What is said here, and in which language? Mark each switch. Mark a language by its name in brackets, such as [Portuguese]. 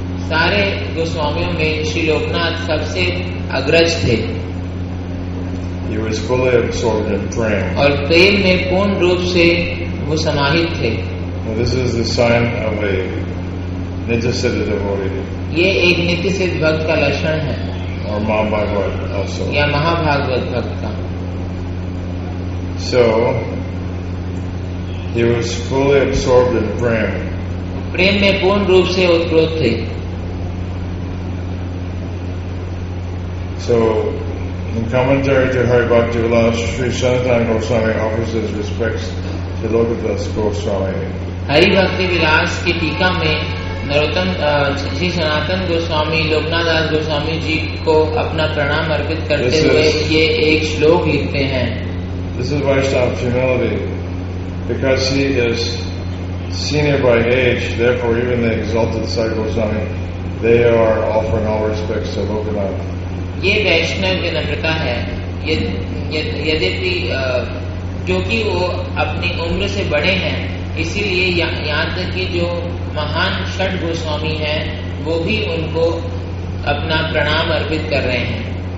[Hindi] सारे गोस्वामियों में श्री लोकनाथ सबसे अग्रज थे. [English] He was fully absorbed in prem. [Hindi] और प्रेम में पूर्ण रूप से वो समाहित थे. [English] This is the sign of a nitya siddha devotee. [Hindi] ये एक नित्य सिद्ध भक्त का लक्षण है. [English] Or महाभागवत also. [Hindi] या महाभागवत भक्त का. [English] So. He was fully absorbed in prem. [Hindi] प्रेम में पूर्ण रूप से उत्प्रोत थे. [English] So, in commentary to Hari Bhaktivilas, Sri Sanatana Goswami offers his respects to Lokanath Goswami. [Hindi] Hari Bhaktivilas की टीका में नरोत्तम श्री सनातन गोस्वामी लोकनाथ दास गोस्वामी जी को अपना प्रणाम अर्पित करते हुए ये एक श्लोक लिखते हैं. [English] This is Vaishnava humility. Because he is senior by age, therefore even the exalted Sadhu Goswami, they are offering all respects to Lokanath. [Hindi] ये वैष्णव की नम्रता है. यद्यपि जो कि वो अपनी उम्र से बड़े हैं, इसीलिए यहाँ तक कि जो महान षड गोस्वामी हैं, वो भी उनको अपना प्रणाम अर्पित कर रहे हैं.